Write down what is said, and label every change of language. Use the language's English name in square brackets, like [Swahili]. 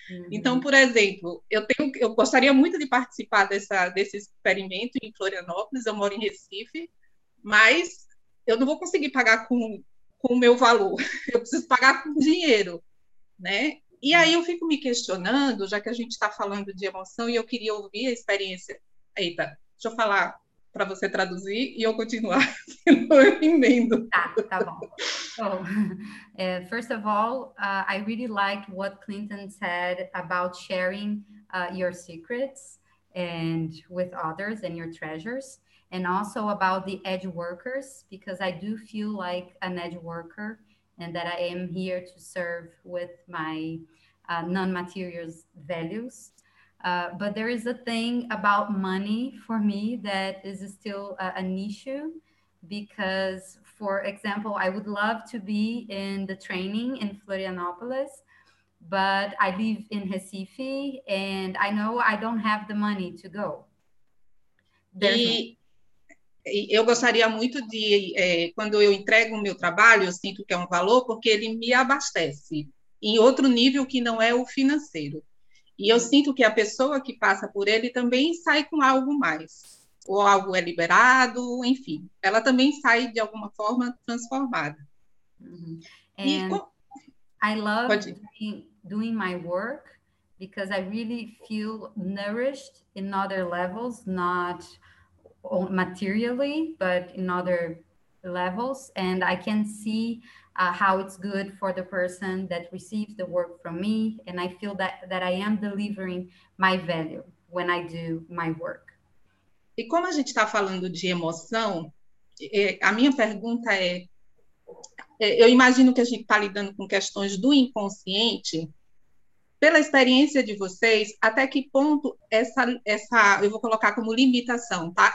[Portuguese] Então, por exemplo, eu gostaria muito de participar desse experimento em Florianópolis, eu moro em Recife, mas eu não vou conseguir pagar com o meu valor, eu preciso pagar com dinheiro, né? E aí eu fico me questionando, já que a gente está falando de emoção e eu queria ouvir a experiência. Eita, deixa eu falar para você traduzir e eu continuar, senão eu emendo. Tá bom. [English] So, first of all, I really liked what Clinton said about sharing your secrets and with others and your treasures, and also about the edge workers, because I do feel like an edge worker and that I am here to serve with my non-materials values. But there is a thing about money for me that is still an issue because, for example, I would love to be in the training in Florianópolis, but I live in Recife and I know I don't have the money to go. There's no. [Portuguese] E eu gostaria muito quando eu entrego o meu trabalho, eu sinto que é um valor, porque ele me abastece em outro nível que não é o financeiro. E eu sinto que a pessoa que passa por ele também sai com algo mais, ou algo é liberado, enfim, ela também sai de alguma forma transformada. E [English] And I love [Portuguese] pode ir. [English] doing my work because I really feel nourished in other levels, not materially, but in other levels. And I can see how it's good for the person that receives the work from me. And I feel that I am delivering my value when I do my work. [Portuguese] E como a gente está falando de emoção, a minha pergunta é: eu imagino que a gente está lidando com questões do inconsciente. Pela experiência de vocês, até que ponto eu vou colocar como limitação, tá?